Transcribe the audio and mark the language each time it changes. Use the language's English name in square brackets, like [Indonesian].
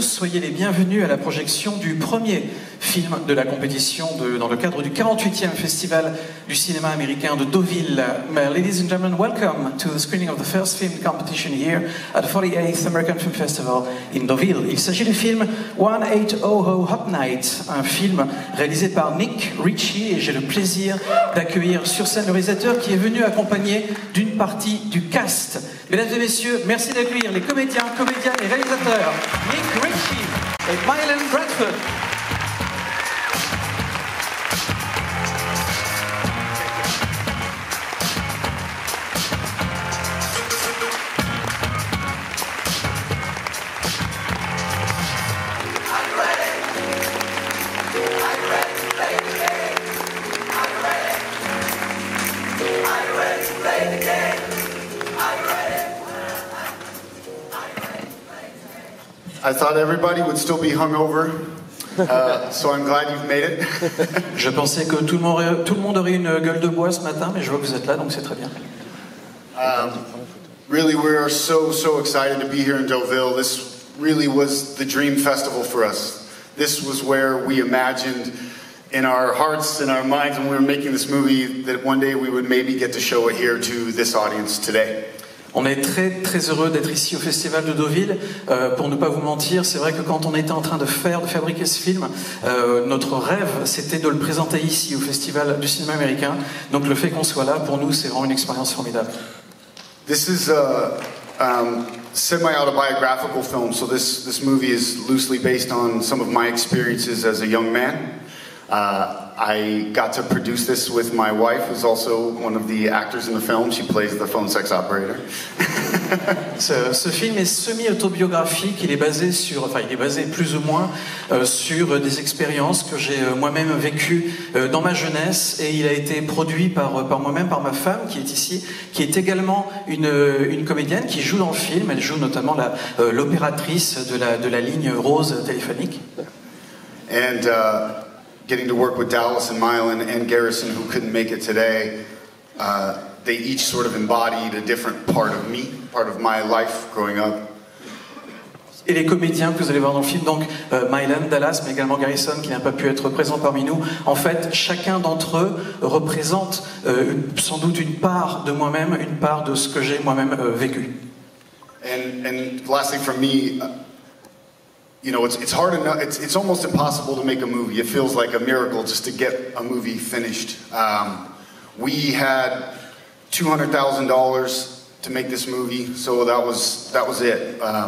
[French] Soyez les bienvenus à la projection du premier film de la compétition dans le cadre du 48e Festival du cinéma américain de Deauville. [English] Ladies and gentlemen, welcome to the screening of the first film competition here at the 48th American Film Festival in Deauville. [French] Il s'agit du film 1800 Hot Night, un film réalisé par Nick Richey, et j'ai le plaisir d'accueillir sur scène le réalisateur qui est venu accompagné d'une partie du cast. Mesdames et messieurs, merci d'accueillir les comédiens, comédiennes et réalisateurs Nick Richey et Mylène Bradford. [English] I thought everybody would still be hungover, so I'm glad you've made it. [French] Je pensais que tout le monde aurait une gueule de bois ce matin, mais je vois que vous êtes là, donc c'est très bien. [English] Really, we are so excited to be here in Deauville. This really was the dream festival for us. This was where we imagined in our hearts and our minds when we were making this movie that one day we would maybe get to show it here to this audience today. [French] On est très très heureux d'être ici au Festival de Deauville. Pour ne pas vous mentir, c'est vrai que quand on était en train de fabriquer ce film, notre rêve c'était de le présenter ici au Festival du cinéma américain. Donc le fait qu'on soit là, pour nous c'est vraiment une expérience formidable. [English] This is a semi-autobiographical film, so this movie is loosely based on some of my experiences as a young man. I got to produce this with my wife, who's also one of the actors in the film. She plays the phone sex operator. [French] ce film est semi-autobiographique. Il est basé plus ou moins sur des expériences que j'ai moi-même vécues dans ma jeunesse, et il a été produit par moi-même, par ma femme qui est ici, qui est également une comédienne qui joue dans le film. Elle joue notamment l'opératrice de la ligne rose téléphonique. [English] And getting to work with Dallas and Mylan and Garrison, who couldn't make it today, they each sort of embodied a different part of me, part of my life growing up. [French] Et les comédiens que vous allez voir dans le film, donc Mylan, Dallas, mais également Garrison, qui n'a pas pu être présent parmi nous, en fait, chacun d'entre eux représente sans doute une part de moi-même, une part de ce que j'ai moi-même vécu. [English] And lastly for me, you know, it's hard enough, it's almost impossible to make a movie. It feels like a miracle just to get a movie finished. We had $200,000 to make this movie, so that was it.